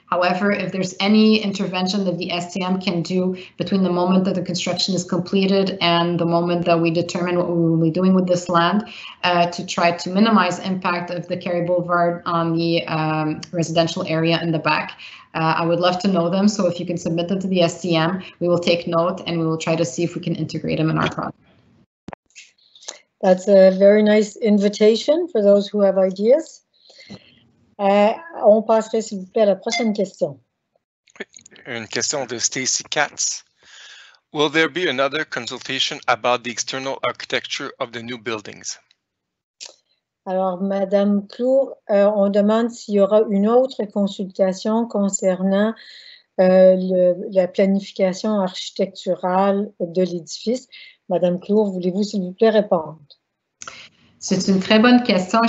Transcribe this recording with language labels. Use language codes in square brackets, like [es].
[en] However, if there's any intervention that the STM can do between the moment that the construction is completed and the moment that we determine what we will be doing with this land to try to minimize impact of the Carrés Boulevard on the residential area in the back, I would love to know them. So if you can submit them to the STM, we will take note and we will try to see if we can integrate them in our project. That's a very nice invitation for those who have ideas. [fr] On passerait, s'il vous plaît, à la prochaine question. Une question de Stacy Katz. [en] Will there be another consultation about the external architecture of the new buildings? [fr] Alors, Madame Clour, on demande s'il y aura une autre consultation concernant la planification architecturale de l'édifice. Madame Clour, voulez-vous, s'il vous plaît, répondre? C'est une très bonne question.